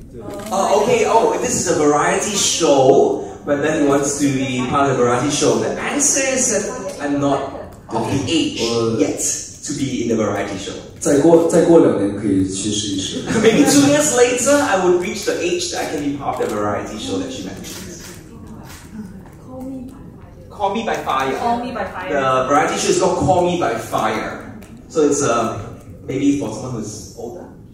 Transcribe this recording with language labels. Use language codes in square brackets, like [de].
[en] Okay, oh, this is a variety show, but then he wants to be part of the variety show. The answer is that I'm not of the age yet to be in the variety show. [zh] 再过两年可以去试一试。 [en] Maybe 2 years later, I would reach the age that I can be part of the variety show that she mentioned. Call me by fire. Call me by fire. Call me by fire. The variety show is called Call Me by Fire. So it's maybe for someone who's older.